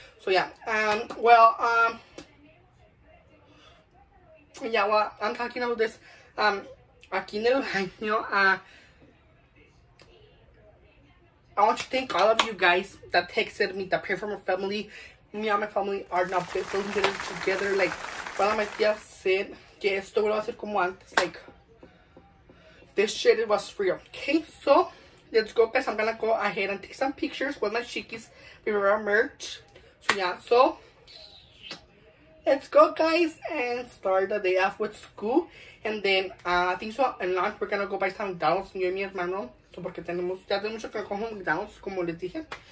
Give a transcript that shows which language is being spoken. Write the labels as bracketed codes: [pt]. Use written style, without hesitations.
[en] So yeah, I'm talking about this, [es] aquí en el baño, [en] I want to thank all of you guys that texted me, that prayed for my family. Me and my family are now building dinner together. Like, one of my tías said, [es] que esto lo va a hacer como antes. [en] Like, this shit, it was real. Okay, so, let's go, guys. I'm gonna go ahead and take some pictures with my chiquis. We wear our merch. So, yeah. So, let's go, guys, and start the day off with school. And then, I think so, at lunch, we're gonna go buy some McDonald's, [es] yo y mi hermano. So, porque tenemos, ya tenemos que coger un McDonald's, como les dije.